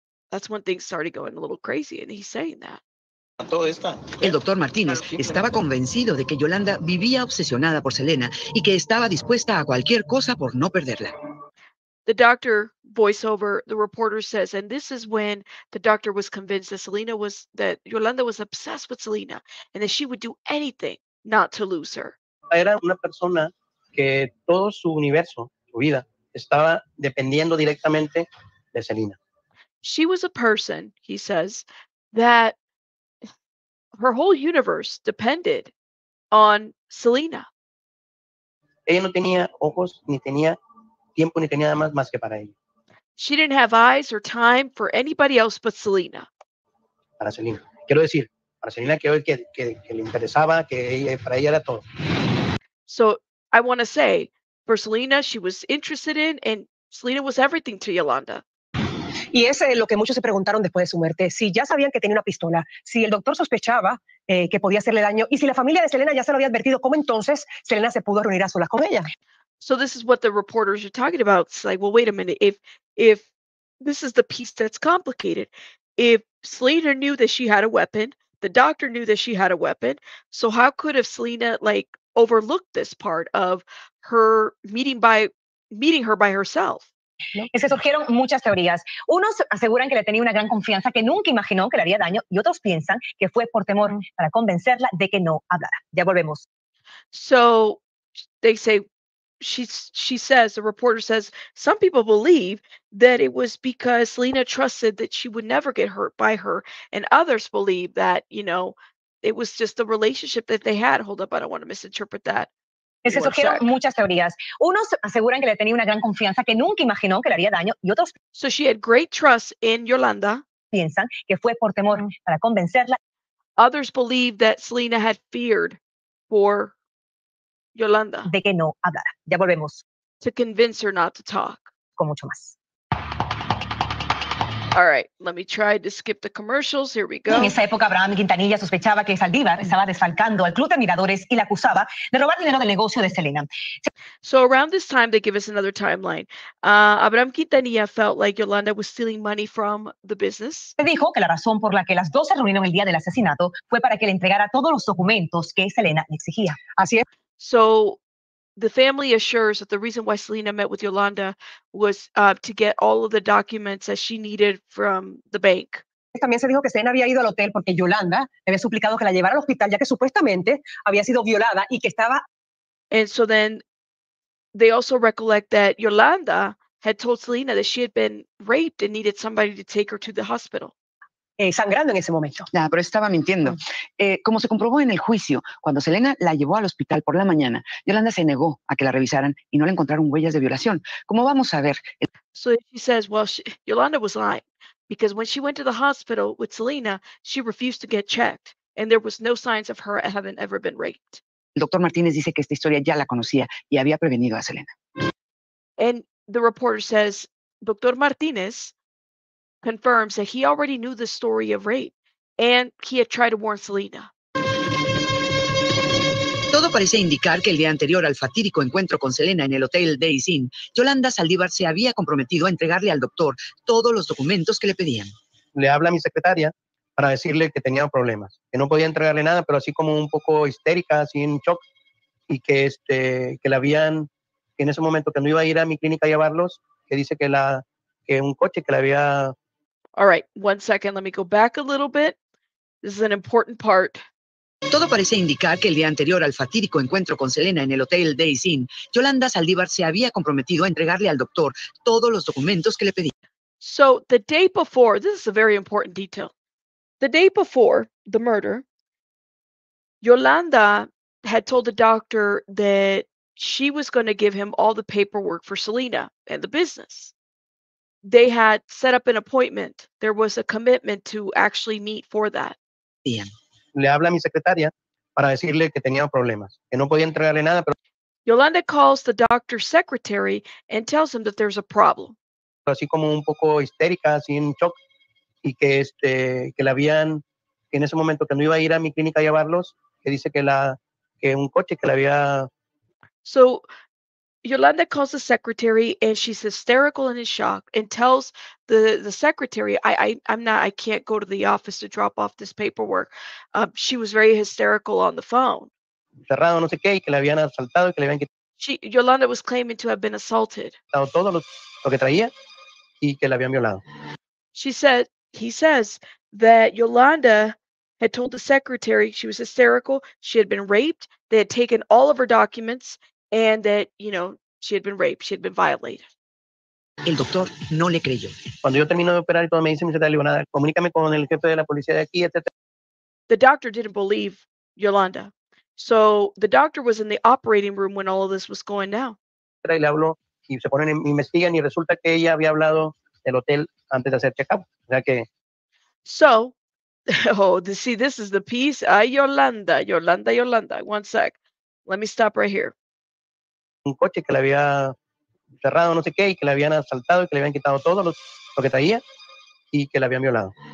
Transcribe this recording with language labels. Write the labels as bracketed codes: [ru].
[en] That's when things started going a little crazy, and he's saying that. [es] El doctor Martínez estaba convencido de que Yolanda vivía obsesionada por Selena y que estaba dispuesta a cualquier cosa por no perderla. [en] The doctor, voiceover, the reporter says, and this is when the doctor was convinced that Selena was, that Yolanda was obsessed with Selena and that she would do anything not to lose her. [es] Era una persona que todo su universo, su vida, estaba dependiendo directamente de Selena. [en] She was a person, he says, that her whole universe depended on Selena. [es] Ella no tenía ojos, ni tenía tiempo, ni tenía nada más que para ella. [en] She didn't have eyes or time for anybody else but Selena. [es] Para Selena. Quiero decir, para Selena que le interesaba, que ella, para ella era todo. [en] So I want to say, for Selena, she was interested in, and Selena was everything to Yolanda. [es] Y es lo que muchos se preguntaron después de su muerte, si ya sabían que tenía una pistola, si el doctor sospechaba que podía hacerle daño, y si la familia de Selena ya se lo había advertido, ¿cómo entonces Selena se pudo reunir a solas con ella? [en] So this is what the reporters are talking about. It's like, well, wait a minute, if this is the piece that's complicated, if Selena knew that she had a weapon, the doctor knew that she had a weapon, so how could have Selena, like, overlooked this part of her meeting her by herself? [es] ¿No? Se surgieron muchas teorías. Unos aseguran que le tenía una gran confianza, que nunca imaginó que le haría daño, y otros piensan que fue por temor para convencerla de que no hablara. Ya volvemos. [en] So they say, she says, the reporter says, some people believe that it was because Selena trusted that she would never get hurt by her, and others believe that, you know, it was just the relationship that they had. Hold up, I don't want to misinterpret that. [es] Se surgieron muchas teorías. Unos aseguran que le tenía una gran confianza, que nunca imaginó que le haría daño, y otros... [en] So she had great trust in Yolanda. [es] Piensan que fue por temor para convencerla. [en] Others believe that Selena had feared for Yolanda. [es] De que no hablara. Ya volvemos. [en] To convince her not to talk. [es] Con mucho más. [en] All right, let me try to skip the commercials. Here we go. [es] En esa época, Abraham Quintanilla sospechaba que Saldivar estaba desfalcando al club de miradores y la acusaba de robar dinero del negocio de Selena. [en] So around this time, they give us another timeline. Abraham Quintanilla felt like Yolanda was stealing money from the business. [es] Se dijo que la razón por la que las dos se reunieron el día del asesinato fue para que le entregara todos los documentos que Selena le exigía. Así es. [en] So the family assures that the reason why Selena met with Yolanda was to get all of the documents that she needed from the bank. [es] También se dijo que Selena había ido al hotel porque Yolanda había suplicado que la llevara al hospital ya que supuestamente había sido violada y que estaba... [en] And so then they also recollect that Yolanda had told Selena that she had been raped and needed somebody to take her to the hospital. [es] Sangrando en ese momento. Nada, pero estaba mintiendo. Como se comprobó en el juicio, cuando Selena la llevó al hospital por la mañana, Yolanda se negó a que la revisaran y no le encontraron huellas de violación. Como vamos a ver. [en] So she says, well, Yolanda was lying because when she went to the hospital with Selena, she refused to get checked and there was no signs of her having ever been raped. [es] El doctor Martínez dice que esta historia ya la conocía y había prevenido a Selena. [en] And the reporter says, Dr. Martínez confirms that he already knew the story of rape and he had tried to warn Selena. [es] Todo parece indicar que el día anterior al fatídico encuentro con Selena en el hotel Days Inn, Yolanda Saldivar se había comprometido a entregarle al doctor todos los documentos que le pedían. Le habla a mi secretaria para decirle que tenía problemas, que no podía entregarle nada, pero así como un poco histérica, así en shock, y que, que la habían, que en ese momento que no iba a ir a mi clínica a llevarlos, que dice que la, que un coche que la había... [en] All right, one second, let me go back a little bit. This is an important part. [es] Todo parece indicar que el día anterior al fatídico encuentro con Selena en el hotel Days Inn, Yolanda Saldivar se había comprometido a entregarle al doctor todos los documentos que le pedía. [en] So the day before, this is a very important detail. The day before the murder, Yolanda had told the doctor that she was going to give him all the paperwork for Selena and the business. They had set up an appointment. There was a commitment to actually meet for that. [es] Bien. Le habla a mi secretaria para decirle que tenía problemas, que no podía entregarle nada. Pero... [en] Yolanda calls the doctor's secretary and tells him that there's a problem. [es] Así como un poco histérica, así en shock, y que, que la habían, que en ese momento que no iba a ir a mi clínica a llevarlos, que dice que, la, que un coche que la había... [en] So Yolanda calls the secretary and she's hysterical and in shock and tells the secretary, I can't go to the office to drop off this paperwork. She was very hysterical on the phone. [es] Cerrado, no sé qué, y que la habían asaltado, y que le habían quitado. [en] Yolanda was claiming to have been assaulted. [es] Todo lo que traía y que la habían violado. [en] He says that Yolanda had told the secretary she was hysterical, she had been raped, they had taken all of her documents, and that, you know, she had been raped, she had been violated. [es] El doctor no le creyó. Cuando yo termino de operar y todo, me dice, me dice, nada, comunícame con el jefe de la policía de aquí, etc. [en] The doctor didn't believe Yolanda. So the doctor was in the operating room when all of this was going down. [es] Y le hablo, y se ponen, y investigan, y resulta que ella había hablado del hotel antes de hacer check-up. O sea que... [en] So, oh, see, this is the piece. Ay, Yolanda, Yolanda, Yolanda. One sec. Let me stop right here. [es] Un coche que le había cerrado no sé qué y que le habían asaltado y que le habían quitado todo lo que traía y que le habían violado.